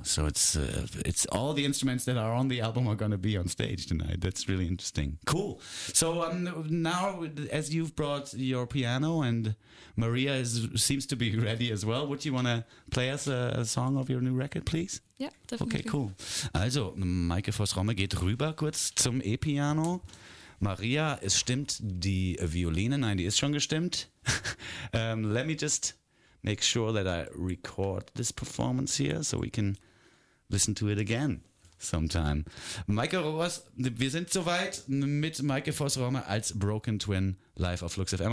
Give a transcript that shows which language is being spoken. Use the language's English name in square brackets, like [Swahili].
[English] So it's all the instruments that are on the album are going to be on stage tonight. That's really interesting. Cool. So now, as you've brought your piano and Maria seems to be ready as well, would you want to play us a song of your new record, please? Yeah, definitely. Okay, cool. [German] Also, Maike Vos-Romme geht rüber kurz zum E-Piano. Maria, es stimmt die Violine. Nein, die ist schon gestimmt. [English] let me just make sure that I record this performance here so we can listen to it again sometime. [German] Maike Ross, wir sind soweit mit Maike Vos-Romme als Broken Twin live auf Lux FM.